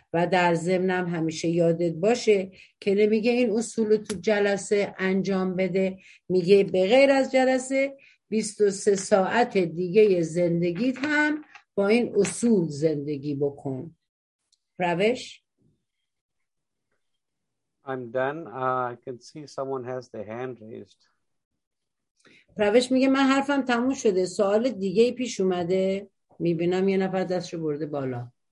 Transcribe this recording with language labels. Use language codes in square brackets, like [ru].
[fa] و در ضمنم همیشه یادت باشه که نمیگه این اصول رو تو جلسه انجام بده، میگه به غیر از جلسه 23 ساعت دیگه زندگیت هم با این اصول زندگی بکن. روش [en] I'm done. I can see someone has the hand raised. [fa] روش میگه من حرفم تموم شده، سوال دیگه پیش اومده. میبینم یه نفر دستشو برده بالا.